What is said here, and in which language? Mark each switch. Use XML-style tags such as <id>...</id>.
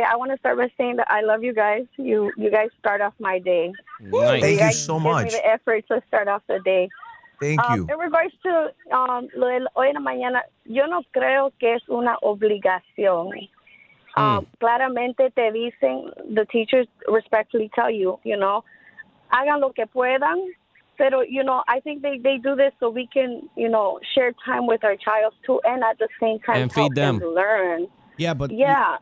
<en>I want to start by saying that I love you guys. You guys start off my day. Nice. Thank you so much. Give me the effort to start off the day. Thank you. In regards to</en> <es>lo de hoy en la mañana, yo no creo que es una obligación. Claramente te dicen,</es> <en>the teachers respectfully tell you, you know,</en> <es>hagan lo que puedan, pero,</es> <en>you know, I think they do this so we can, you know, share time with our child too and at the same time and help feed them learn. Yeah, but yeah,</en>